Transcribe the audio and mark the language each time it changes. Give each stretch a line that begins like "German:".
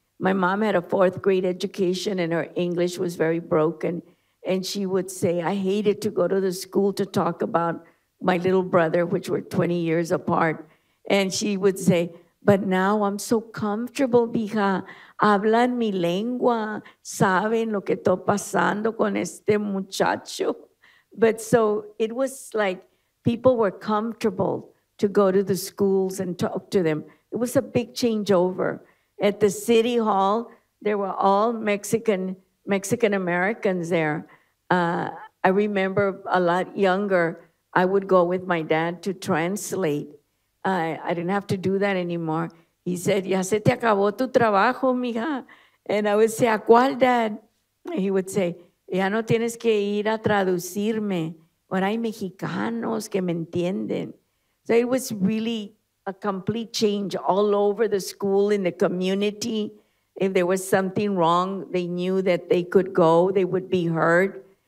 English: My mom had a fourth grade education and her English was very broken. And she would say, I hated to go to the school to talk about my little brother, which were 20 years apart. And she would say, but now I'm so comfortable, mija.
Spanish: Hablan mi lengua. Saben lo que estoy pasando con este muchacho.
English: But so it was like people were comfortable to go to the schools and talk to them. It was a big changeover. At the city hall, there were all Mexican-Americans there. I remember a lot younger, I would go with my dad to translate. I didn't have to do that anymore. He said,
Spanish: ya se te acabó tu trabajo, mija.
English: And I would say,
Spanish: ¿a cuál, dad?
English: And he would say,
Spanish: ya no tienes que ir a traducirme. Ahora hay mexicanos que me entienden.
English: So it was really a complete change all over the school, in the community. If there was something wrong, they knew that they could go, they would be heard.